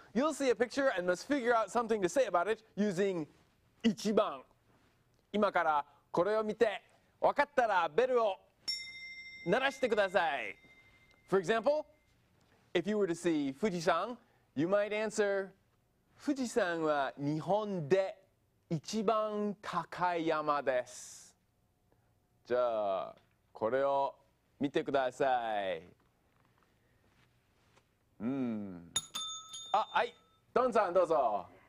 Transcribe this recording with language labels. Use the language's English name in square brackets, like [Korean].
[English] You'll see a picture and must figure out something to say about it using 一番。 [Japanese] 今からこれを見て、わかったらベルを鳴らしてください。 [English] For example, if you were to see 富士山, you might answer、 [Japanese] 富士山は日本で一番高い山です。じゃあこれを見てください。あ、はい、ドンさんどうぞ。